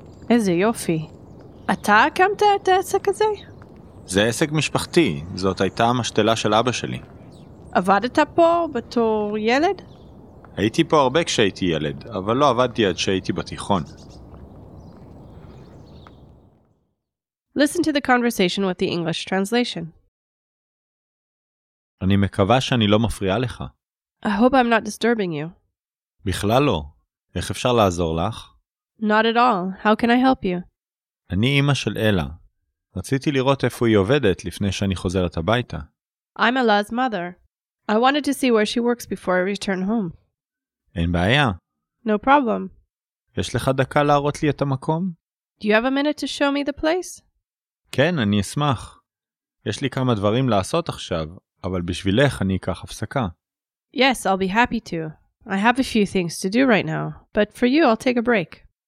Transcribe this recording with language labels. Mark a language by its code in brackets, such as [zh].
[he] איזה יופי. אתה הקמת את העסק הזה? זה עסק משפחתי. זאת הייתה המשתלה של אבא שלי. עבדת פה בתור ילד? הייתי פה הרבה כשהייתי ילד, אבל לא עבדתי עד שהייתי בתיכון. [en] Listen to the conversation with the English translation. [he] אני מקווה שאני לא מפריעה לך. [en] I hope I'm not disturbing you. [he] בכלל לא. איך אפשר לעזור לך? [en] Not at all. How can I help you? [he] אני אמא של אלה. רציתי לראות איפה היא עובדת לפני שאני חוזרת הביתה. [en] I'm Ella's mother. I wanted to see where she works before I return home. [he] אין בעיה. [en] No problem. [he] יש לך דקה להראות לי את המקום? [en] Do you have a minute to show me the place? [he] כן, אני אשמח. יש לי כמה דברים לעשות עכשיו. אבל בשבילך אני אקח הפסקה. [en] Yes, I'll be happy to. I have a few things to do right now, but for you I'll take a break.